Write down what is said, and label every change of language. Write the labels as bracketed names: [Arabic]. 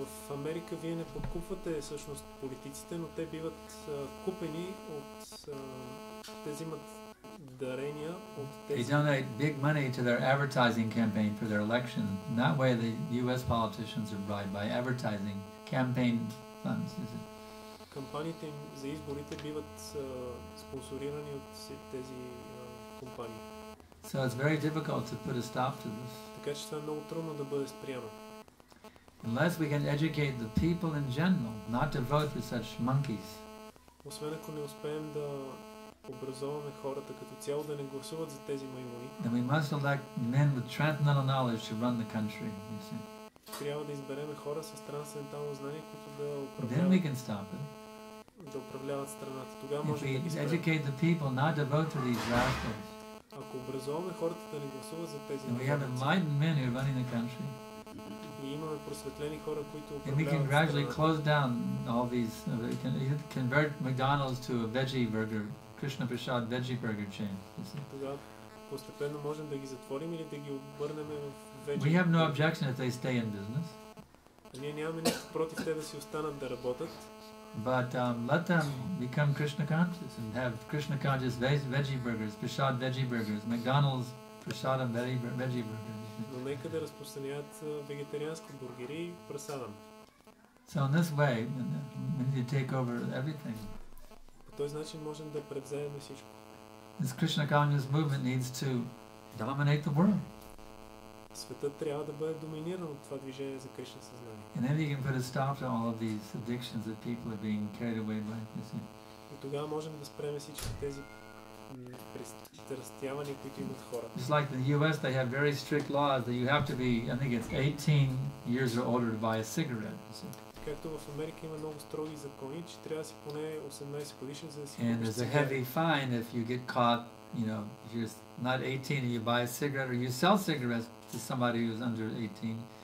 [Bulgarian] В Америка вие не подкупвате всъщност политиците, но те биват купени от тези имат дарения от тези [English] They donate big money to their advertising campaign for their election. In that way the US politicians are bribed by advertising campaign funds, is it? [Bulgarian] Кампаниите им за изборите биват спонсорирани от тези компании. [English] So it's very difficult to put a stop to this. [Bulgarian] Така че това е много трудно да бъде спряно. [English] Unless we can educate the people in general not to vote for such monkeys. [Bulgarian] Освен ако не успеем да образоваме хората като цяло да не гласуват за тези маймуни. [English] Then we must elect men with transcendental knowledge to run the country, you see. [Bulgarian] Трябва да изберем хора с трансцендентално знание, които да управляват. [English] Then we can stop it. [Bulgarian] Да управляват страната. Тогава можем да ги изберем. [English] Educate the people not to vote for these rascals. [Bulgarian] Ако образоваме хората да не гласуват за тези маймуни. [English] Then we have enlightened men who are running the country. [Bulgarian] И имаме просветлени хора, които управляват. [English] And we can gradually close down all these, convert McDonald's to a veggie burger. Krishna Prasad veggie burger chain. [Bulgarian] Постепенно можем да ги затворим или да ги обърнем в [English] veggie. We have no objection if they stay in business. [Bulgarian] Ние нямаме нищо против те да си останат да работят. [English] But let them become Krishna conscious and have Krishna conscious veggie burgers, Prasad veggie burgers, McDonald's Prasad veggie burgers. [Bulgarian] Но нека да разпространяват вегетариански бургери и прасадам. [English] So in this way, we need to take over everything. [Bulgarian] Той значи можем да превземем всичко. [English] This Krishna conscious movement needs to dominate the world. [Bulgarian] Светът трябва да бъде доминиран от това движение за Кришна съзнание. [English] And then you can put a stop to all of these addictions that people are being carried away by, you see. [Bulgarian] И тогава можем да спрем всички тези пристрастявания, които имат хората. [English] Just like the US, they have very strict laws that you have to be, I think it's 18 years or older to buy a cigarette, you see. [Bulgarian] Както в Америка има много строги закони, че трябва да си поне 18 годишен, за да си. [English] And there's a heavy fine if you get caught, you know, if you're not 18 and you buy a cigarette or you sell cigarettes to somebody who's under 18.